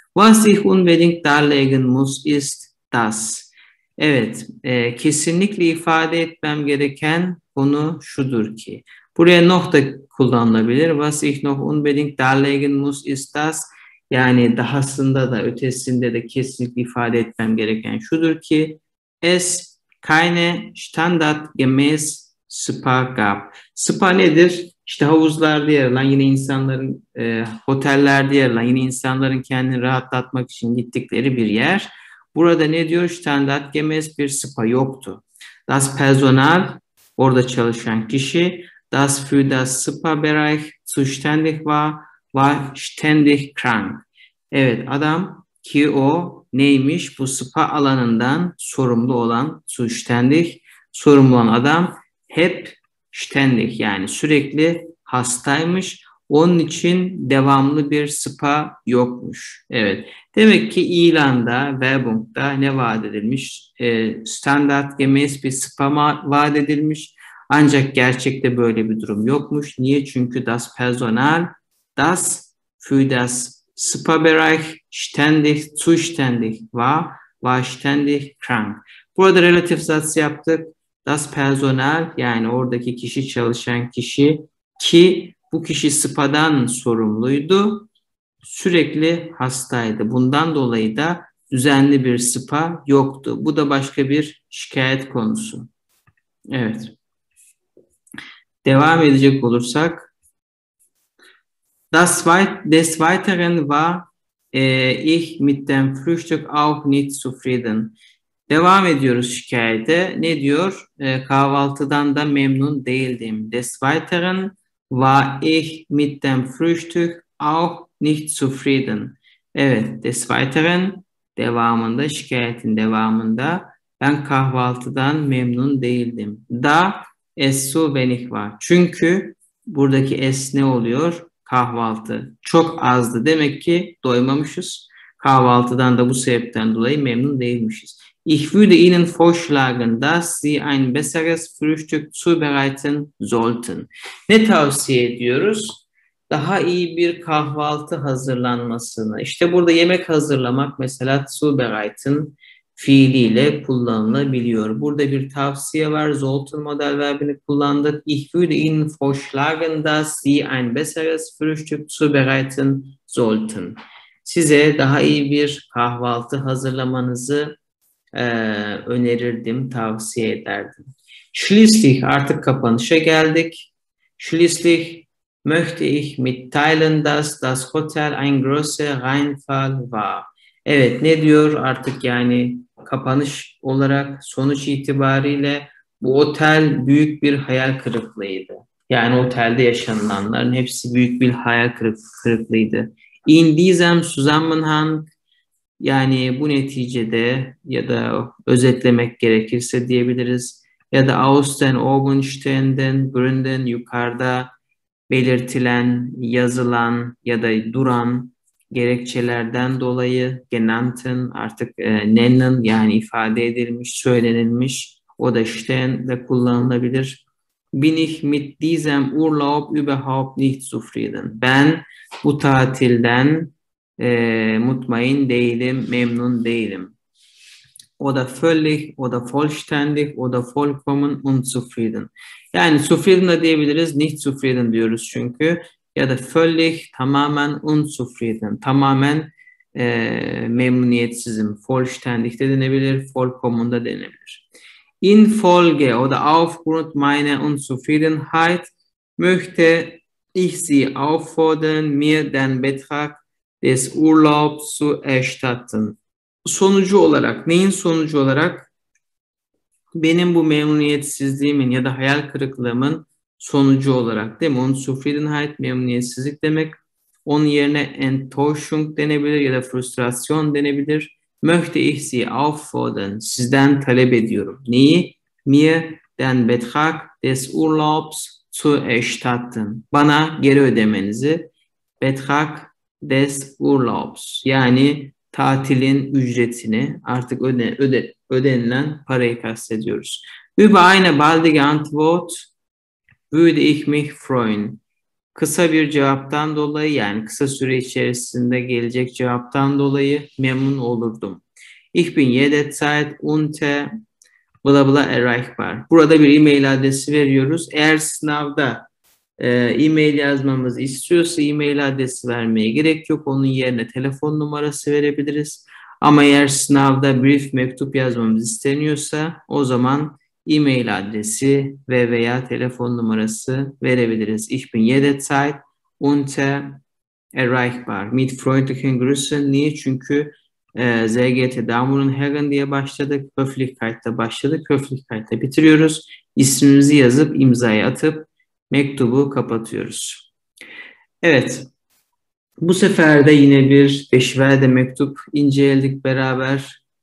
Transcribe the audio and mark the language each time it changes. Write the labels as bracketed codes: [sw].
[de] Was ich unbedingt darlegen muss ist das. [tr] Evet. Kesinlikle ifade etmem gereken konu şudur ki. Buraya noch da kullanılabilir. [de] Was ich noch unbedingt darlegen muss ist das. [tr] Yani dahasında da ötesinde de kesinlikle ifade etmem gereken şudur ki [de] es keine standard gemäß spa gab. [tr] Spa nedir? İşte havuzlarda yer alan yine insanların otellerde yer alan yine insanların kendini rahatlatmak için gittikleri bir yer. Burada ne diyor? [de] Standard gemäß [tr] bir spa yoktu. [de] Das Personal [tr] orada çalışan kişi [de] das für das Spa-Bereich zuständig war. Var ständig krank. [tr] Evet adam ki o neymiş? Bu spa alanından sorumlu olan zuständig. Sorumlu olan adam hep ständig yani sürekli hastaymış. Onun için devamlı bir spa yokmuş. Evet demek ki ilanda, Werbung'da ne vaat edilmiş? [de] Standart gemäß [tr] bir spa vaat edilmiş. Ancak gerçekte böyle bir durum yokmuş. Niye? Çünkü [de] das Personal das für das Spa-Bereich ständig zuständig war ständig krank. [tr] Burada relativ satsı yaptık. [de] Das Personal [tr] yani oradaki kişi çalışan kişi ki bu kişi spa'dan sorumluydu. Sürekli hastaydı. Bundan dolayı da düzenli bir spa yoktu. Bu da başka bir şikayet konusu. Evet. Devam edecek olursak. [de] Des Weiteren war ich mit dem Frühstück auch nicht zufrieden. [tr] Devam ediyoruz şikayete. Ne diyor? Kahvaltıdan da memnun değildim. [de] Des Weiteren war ich mit dem Frühstück auch nicht zufrieden. [tr] Evet, [de] des Weiteren [tr] devamında, şikayetin devamında ben kahvaltıdan memnun değildim. [de] Da es so wenig war. [tr] Çünkü buradaki es ne oluyor? Kahvaltı çok azdı. Demek ki doymamışız. Kahvaltıdan da bu sebepten dolayı memnun değilmişiz. [de] Ich würde Ihnen vorschlagen, dass Sie ein besseres Frühstück zubereiten sollten. [tr] Ne tavsiye ediyoruz? daha iyi bir kahvaltı hazırlanmasını. İşte burada yemek hazırlamak mesela zubereiten fiiliyle kullanılabiliyor. Burada bir tavsiye var. Zoltun model verbini kullandık. [de] Ich würde Ihnen vorschlagen, dass Sie ein besseres Frühstück zubereiten sollten. [tr] Size daha iyi bir kahvaltı hazırlamanızı önerirdim, tavsiye ederdim. [de] Schließlich, [tr] artık kapanışa geldik. [de] Schließlich möchte ich mitteilen, dass das Hotel ein großer Reinfall war. [tr] Evet, ne diyor artık yani kapanış olarak sonuç itibariyle bu otel büyük bir hayal kırıklığıydı. Yani otelde yaşanılanların hepsi büyük bir hayal kırıklığıydı. [de] In diesem Zusammenhang, [tr] yani bu neticede ya da özetlemek gerekirse diyebiliriz. Ya da [de] aus den Augenständen, Gründen, [tr] yukarıda belirtilen, yazılan ya da duran gerekçelerden dolayı genannten artık nennen yani ifade edilmiş, söylenilmiş o da işte de kullanılabilir. [de] Bin ich mit diesem Urlaub überhaupt nicht zufrieden. [tr] Ben bu tatilden mutmain değilim, memnun değilim. O da völlig, o da vollständig, o da [de] vollkommen unzufrieden. [tr] Yani zufrieden de diyebiliriz, [de] nicht zufrieden [tr] diyoruz çünkü. Ya da völlig, tamamen unzufrieden, tamamen memnuniyetsizim. Vollständig de denebilir, vollkommen da denebilir. [de] In Folge, [tr] o da [de] aufgrund meiner Unzufriedenheit, möchte ich Sie auffordern, mir den Betrag des Urlaubs zu erstatten. [tr] Sonucu olarak, neyin sonucu olarak? Benim bu memnuniyetsizliğimin ya da hayal kırıklığımın sonucu olarak değil mi? Unzufriedenheit, memnuniyetsizlik demek. Onun yerine Enttäuschung denebilir ya da frustrasyon denebilir. [de] Möchte ich Sie auffordern, [tr] sizden talep ediyorum. Neyi? [de] Mir den Betrag des Urlaubs zu erstatten. [tr] Bana geri ödemenizi. [de] Betrag des Urlaubs. [tr] Yani tatilin ücretini artık ödenilen parayı kastediyoruz. [de] Über eine baldige Antwort würde ich mich freuen. [tr] Kısa bir cevaptan dolayı yani kısa süre içerisinde gelecek cevaptan dolayı memnun olurdum. [de] Ich bin jederzeit unter bla bla erreichbar. [tr] Burada bir e-mail adresi veriyoruz. Eğer sınavda e-mail yazmamızı istiyorsa e-mail adresi vermeye gerek yok. Onun yerine telefon numarası verebiliriz. Ama eğer sınavda brief mektup yazmamız isteniyorsa o zaman e-mail adresi ve veya telefon numarası verebiliriz. [de] Ich bin jederzeit unter erreichbar. Mit freundlichen Grüßen. [tr] Niye? Çünkü ZGT [de] Damen und Herren [tr] diye başladık. Höflichkeit'te başladık. Höflichkeit'te bitiriyoruz. İsmimizi yazıp imzayı atıp mektubu kapatıyoruz. Evet. Bu sefer de yine bir beşiverde mektup inceledik beraber.